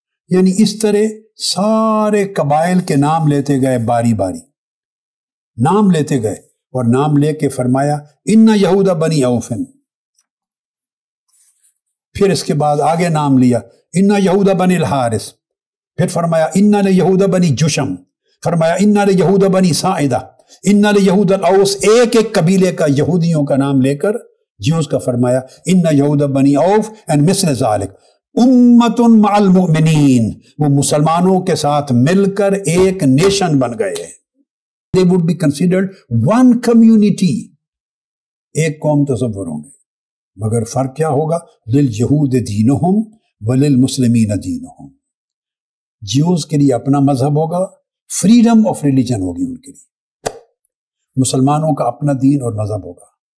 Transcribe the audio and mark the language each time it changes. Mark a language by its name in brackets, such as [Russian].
[Urdu] یعنی اس طرح سارے قبائل کے نام لیتے گئے, باری باری نام لیتے گئے, اور نام لے کے فرمایا [Arabic] ان یہودا بنی اوفن, [Urdu] پھر اس کے بعد آگے نام لیا [Arabic] ان یہودا بنی الحارث, [Urdu] پھر فرمایا [Arabic] ان یہودا بنی جشم, [Urdu] فرمایا [Arabic] ان یہودا بنی ساعدہ, ان یہودا الاوس. [Urdu] ایک ایک قبیلے کا یہودیوں کا نام لے کر جی اس کا فرمایا [Arabic] ان یہودا بنی اوف اینڈ مثل ذالک امت مع المؤمنین, [Urdu] وہ مسلمانوں کے ساتھ مل کر ایک نیشن بن گئے. [English] They would be considered one community. [Urdu] ایک قوم تصور ہوں گے, مگر فرق کیا ہوگا؟ [Arabic] للیہود دینہم وللمسلمین دینہم. [Urdu] جیوز کے لیے اپنا مذہب ہوگا, فریڈم آف ریلیجن ہوگی ان کے لیے, مسلمانوں کا اپنا دین اور مذہب ہوگا.